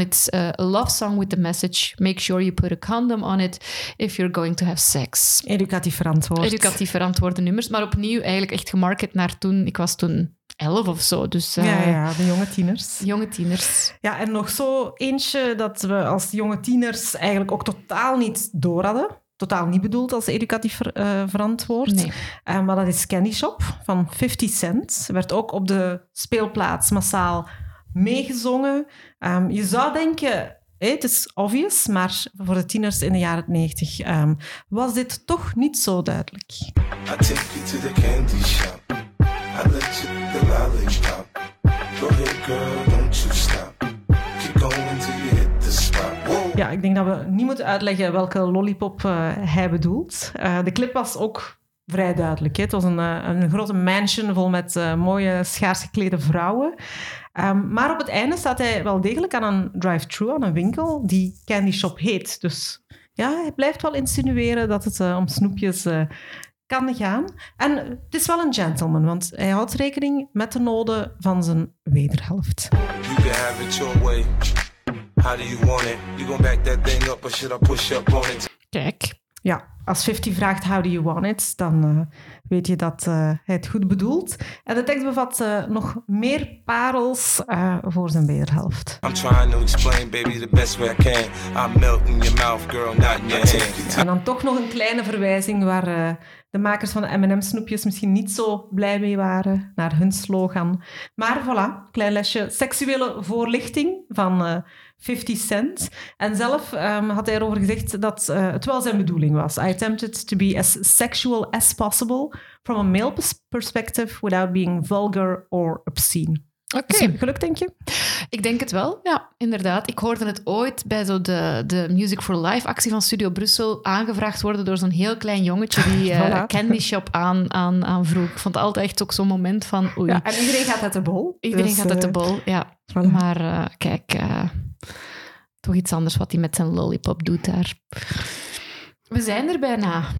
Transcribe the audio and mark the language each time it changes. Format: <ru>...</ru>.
<en>It's a love song with the message. Make sure you put a condom on it if you're going to have sex.</en> <nl>Educatief verantwoord. Educatief verantwoorde nummers. Maar opnieuw eigenlijk echt gemarket naar toen... Ik was toen 11 of zo, dus... De jonge tieners. Ja, en nog zo eentje dat we als jonge tieners eigenlijk ook totaal niet door hadden. Totaal niet bedoeld als educatief verantwoord. Nee. Maar dat is Candy Shop van 50 Cent. Werd ook op de speelplaats massaal meegezongen. Je zou denken, het is obvious, maar voor de tieners in de jaren 90 was dit toch niet zo duidelijk.</nl> <en>I take you to the candy shop. I let you the lollipop. Go ahead, girl, don't you stop. Keep going till you hit the spot.</en> <nl>Ja, ik denk dat we niet moeten uitleggen welke lollipop hij bedoelt. De clip was ook vrij duidelijk. Hè. Het was een grote mansion vol met mooie, schaars geklede vrouwen. Maar op het einde staat hij wel degelijk aan een drive-thru, aan een winkel, die Candy Shop heet. Dus ja, hij blijft wel insinueren dat het om snoepjes kan gaan. En het is wel een gentleman, want hij houdt rekening met de noden van zijn wederhelft.</nl> <en>You can have it your way. How do you want it? You gonna back that thing up or should I push up on it?</en> <nl>Kijk. Ja, als 50 vraagt</nl> <en>how do you want it,</en> <nl>dan weet je dat hij het goed bedoelt. En de tekst bevat nog meer parels voor zijn wederhelft.</nl> <en>I'm trying to explain, baby, the best way I can. I'm melting your mouth, girl, not in your hand.</en> <nl>En dan toch nog een kleine verwijzing waar de makers van de M&M-snoepjes misschien niet zo blij mee waren naar hun slogan. Maar voilà, klein lesje. Seksuele voorlichting van 50 Cent. En zelf had hij erover gezegd dat het wel zijn bedoeling was.</nl> <en>I attempted to be as sexual as possible from a male perspective without being vulgar or obscene.</en> <nl>Oké. Okay. Gelukt, denk je? Ik denk het wel, ja, inderdaad. Ik hoorde het ooit bij zo de Music for Life-actie van Studio Brussel aangevraagd worden door zo'n heel klein jongetje die Candy Shop aanvroeg. Ik vond het altijd echt ook zo'n moment van oei. Ja, en iedereen gaat uit de bol. Iedereen dus, gaat uit de bol, ja. Voilà. Maar kijk, toch iets anders wat hij met zijn lollipop doet daar. We zijn er bijna.</nl>